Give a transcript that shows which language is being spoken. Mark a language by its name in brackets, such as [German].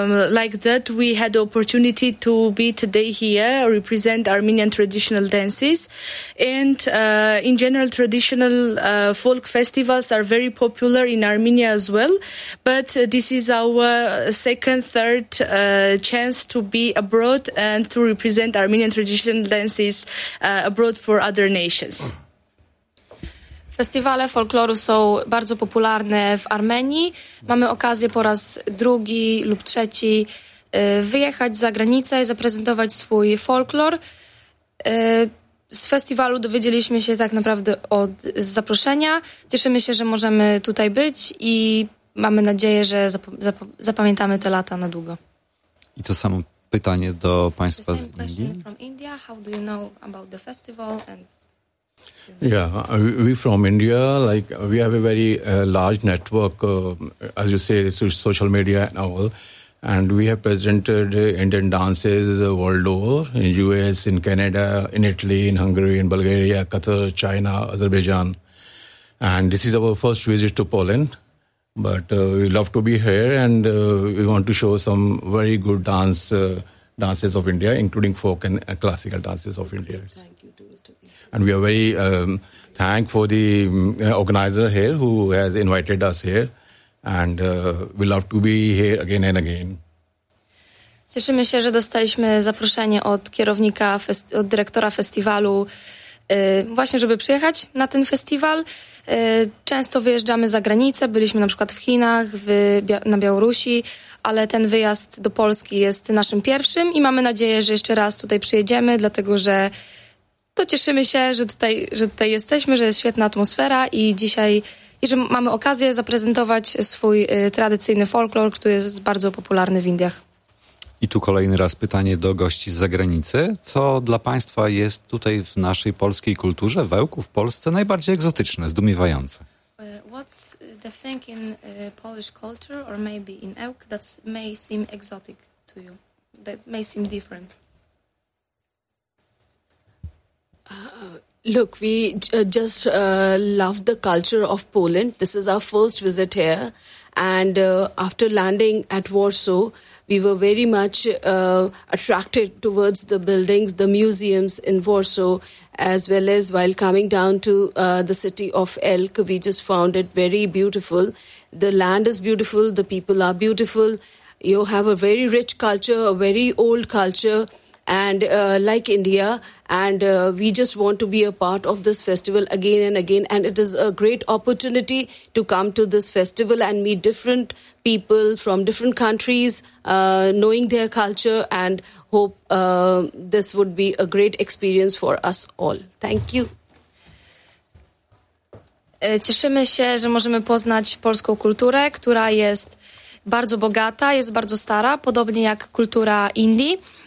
[English] like that we had the opportunity to be today here, represent Armenian traditional dances, and in general traditional folk festivals are very popular in Armenia as well, but this is our third chance to be abroad and to represent Armenian traditional dances abroad for other nations. [Polish] Festiwale folkloru są bardzo popularne w Armenii. Mamy okazję po raz drugi lub trzeci wyjechać za granicę i zaprezentować swój folklor. Z festiwalu dowiedzieliśmy się tak naprawdę z zaproszenia. Cieszymy się, że możemy tutaj być i mamy nadzieję, że zapamiętamy te lata na długo. I to samo pytanie do państwa z Indii. [English] From India. How do you know about the festival and... Yeah, we from India, like we have a very large network, as you say, social media and all. And we have presented Indian dances world over, in US, in Canada, in Italy, in Hungary, in Bulgaria, Qatar, China, Azerbaijan. And this is our first visit to Poland. But we love to be here and we want to show some very good dances of India, including folk and classical dances of India. Thank you. And we are very thankful for the organizer here who has invited us here. And we love to be here again and again. [Polish] Cieszymy się, że dostaliśmy zaproszenie od kierownika, od dyrektora festiwalu, właśnie żeby przyjechać na ten festiwal. Często wyjeżdżamy za granicę, byliśmy na przykład w Chinach, na Białorusi, ale ten wyjazd do Polski jest naszym pierwszym i mamy nadzieję, że jeszcze raz tutaj przyjedziemy, dlatego że to cieszymy się, że tutaj jesteśmy, że jest świetna atmosfera i dzisiaj i że mamy okazję zaprezentować swój tradycyjny folklor, który jest bardzo popularny w Indiach. I tu kolejny raz pytanie do gości z zagranicy. Co dla państwa jest tutaj w naszej polskiej kulturze, wełku w Polsce, najbardziej egzotyczne, zdumiewające? [English] What's the thing in Polish culture or maybe in Ełk that may seem exotic to you that may seem different? Look, we just love the culture of Poland. This is our first visit here. And after landing at Warsaw, we were very much attracted towards the buildings, the museums in Warsaw, as well as while coming down to the city of Elk, we just found it very beautiful. The land is beautiful. The people are beautiful. You have a very rich culture, a very old culture, and like India. And we just want to be a part of this festival again and again. And it is a great opportunity to come to this festival and meet different people from different countries, knowing their culture, and hope this would be a great experience for us all. Thank you. [Polish] Cieszymy się, że możemy poznać polską kulturę, która jest bardzo bogata, jest bardzo stara, podobnie jak kultura Indii.